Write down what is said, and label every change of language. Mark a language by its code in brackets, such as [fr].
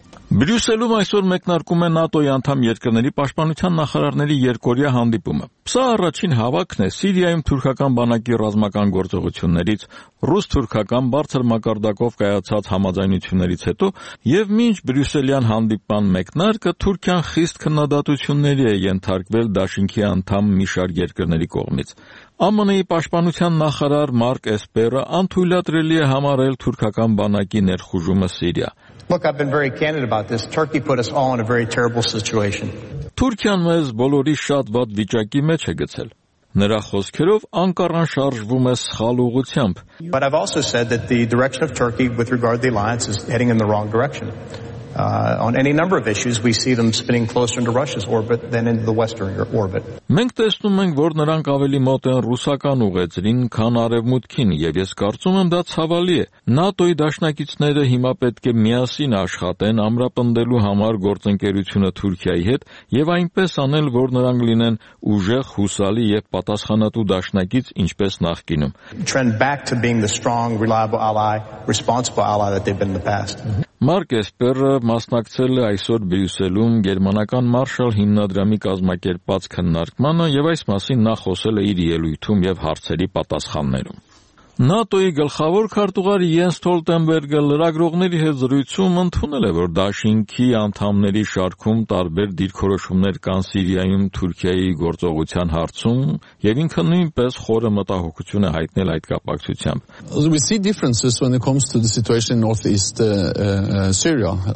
[hy] Բրյուսելում այսօր մեկնարկում է ՆԱՏՕ-ի անդամ երկրների պաշտպանության նախարարների երկօրյա հանդիպումը։ Սա առաջին հավաքն է Սիրիայում Թուրքական բանակի ռազմական գործողություններից, ռուս-թուրքական բարձր մակարդակով կայացած համաձայնություններից հետո, եւ մինչ բրյուսելյան հանդիպման մեկնարկը Թուրքիան խիստ քննադատությունների է ենթարկվել Դաշինքի անդամ մի շարք երկրների կողմից։ ԱՄՆ-ի պաշտպանության նախարար Մարկ Էսպերը անթույլատրելի է համարել Թուրքական բանակի ներխուժումը Սիրիա։ [en] Look, I've been very candid about this. Turkey put us all in a very terrible situation. [hy] Թուրքիան մեզ բոլորի շատ վատ վիճակի մեջ է գցել։ Նրա խոսքերով Անկարան շարժվում է սխալ ուղությամբ։ [en] But I've also said that the direction of Turkey with regard to the alliance is heading in the wrong direction. On any number of issues we see them spinning closer into Russia's orbit than into the Western orbit. [hy] Մենք տեսնում ենք, որ նրանք ավելի մոտ են ռուսական ուղեծին, քան արևմուտքին, եւ ես կարծում եմ դա ցավալի է։ ՆԱՏՕ-ի դաշնակիցները հիմա պետք է միասին աշխատեն ամրապնդելու համար գործընկերությունը Թուրքիայի հետ եւ այնպես անել, որ նրանք լինեն ուժեղ, հուսալի եւ պատասխանատու դաշնակից, ինչպես նախկինում։ [en] Trend back to being the strong, reliable ally, responsible ally that they've been in the past. [hy] Մարկ Էսպերը մասնակցել է այսօր Բրյուսելում Գերմանական Մարշալ հիմնադրամի կազմակերպած քննարկմանը եւ այս մասին նա խոսել է իր ելույթում եւ հարցերի պատասխաններում։ ՆԱՏՕ-ի գլխավոր քարտուղար Յենս Ստոլտենբերգը լրագրողների հետ զրույցում ընդունել է, որ Դաշինքի անդամների շարքում տարբեր դիրքորոշումներ կան Սիրիայում Թուրքիայի գործողության հարցում, եւ ինքը նույնպես խորը մտահոգություն է հայտնել այդ կապակցությամբ։ [en] We see differences when it comes to the situation in northeast Syria.